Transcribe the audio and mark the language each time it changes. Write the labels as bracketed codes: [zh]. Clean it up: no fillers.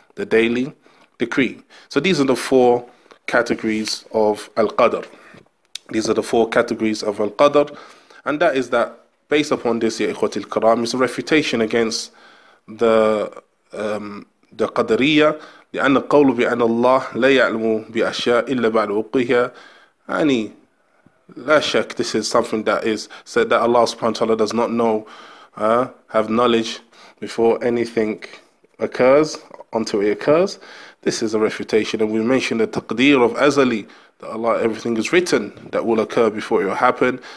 [en] The daily decree. So these are the four categories of al-qadr. These are the four categories of al-qadr. And that is that, based upon this, [ar] ya ikhwati al-karam, [en] is a refutation against the qadriya. [ar] لأن القول بأن الله لا يعلم بأشياء إلا بعد وقوعها. يعني La shak, [en] this is something that is said that Allah subhanahu wa ta'ala does not know, have knowledge before anything occurs, until it occurs. This is a refutation. And we mentioned the taqdeer of azali, that Allah, everything is written that will occur before it will happen.